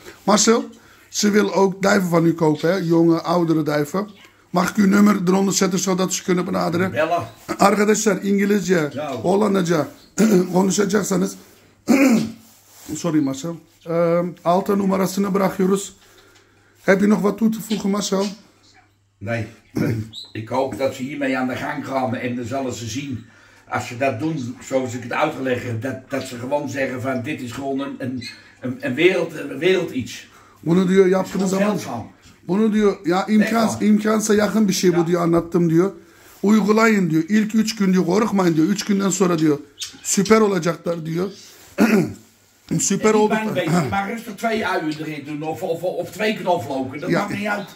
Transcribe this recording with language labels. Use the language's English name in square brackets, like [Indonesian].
[Dutch] Marcel, ze wil ook duiven van u kopen, jonge, oudere duiven. Mag ik uw nummer eronder zetten, zodat ze kunnen benaderen? Bella. [Turkish] Arkadaşlar, İngilizce, Hollandaca konuşacaksanız, sorry Marcel, alta numarasını bırakıyoruz. [Dutch] Heb je nog wat toe te voegen, Marcel? Nee, ik hoop dat ze hiermee aan de gang gaan en dan zullen ze zien, als ze dat doen, zoals ik het uitleg, dat ze gewoon zeggen van dit is gewoon een wereld iets. [Turkish] Bunu diyor yaptığınız zaman, bunu diyor ya imkansa yakın bir şey bu diyor anlattım diyor. Uygulayın diyor, ilk 3 gün diyor korkmayın diyor, 3 günden sonra diyor süper olacaklar diyor. Süper oldu. [Dutch] Ben rustig 2 uien erin doen of 2 knoflooken. Dat maakt niet uit.